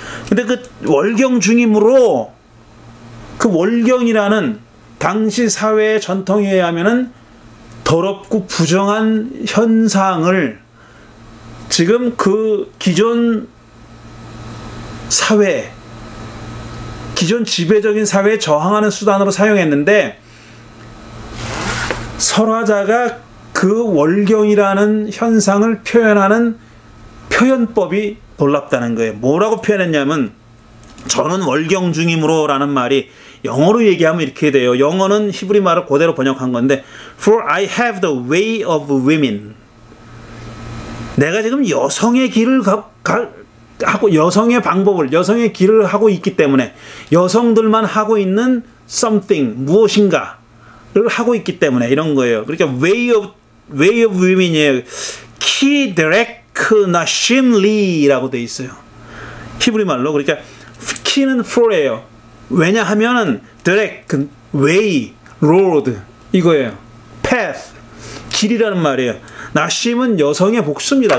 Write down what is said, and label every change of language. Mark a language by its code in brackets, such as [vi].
[ko] 근데 그 월경 중임으로, 그 월경이라는 당시 사회의 전통에 의하면은 더럽고 부정한 현상을 지금 그 기존 사회, 기존 지배적인 사회에 저항하는 수단으로 사용했는데, 설화자가 그 월경이라는 현상을 표현하는 표현법이 놀랍다는 거예요. 뭐라고 표현했냐면, 저는 월경 중이므로 라는 말이, 영어로 얘기하면 이렇게 돼요. 영어는 히브리 말을 그대로 번역한 건데, [en] For I have the way of women. [ko] 내가 지금 여성의 길을 하고, 여성의 방법을, 여성의 길을 하고 있기 때문에, 여성들만 하고 있는 [en] something, [ko] 무엇인가를 하고 있기 때문에 이런 거예요. 그러니까 [en] way of women [ko] 이에요. 키 드레크 나 심리라고 돼 있어요. 히브리 말로. 그러니까 키는 for예요. 왜냐하면은 드레크, [en] way, road [ko] 이거예요. path, 길이라는 말이에요. 나심은 여성의 복수입니다.